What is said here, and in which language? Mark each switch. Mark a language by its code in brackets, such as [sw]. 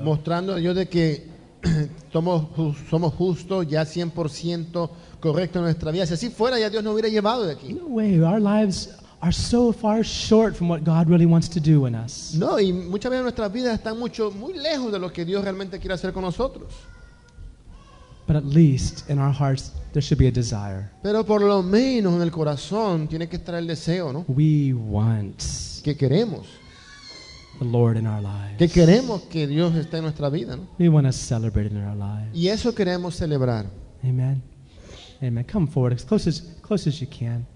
[es] Mostrando yo de que somos justos ya 100% correcto en nuestra vida. Si así fuera, ya Dios nos hubiera llevado de aquí. [en] No way, our lives are so far short from what God really wants to do in us. [es] No, y muchas veces nuestras vidas están mucho muy lejos de lo que Dios realmente quiere hacer con nosotros. [en] But at least in our hearts there should be a desire. [es] Pero por lo menos en el corazón tiene que estar el deseo, ¿no? [en] We want. [es] ¿Qué queremos? [en] The Lord in our lives. [es] Que queremos que Dios esté en nuestra vida, ¿no? [en] We want to celebrate in our lives. [es] Y eso queremos celebrar. [en] Amen. Amen. Come forward as close as you can.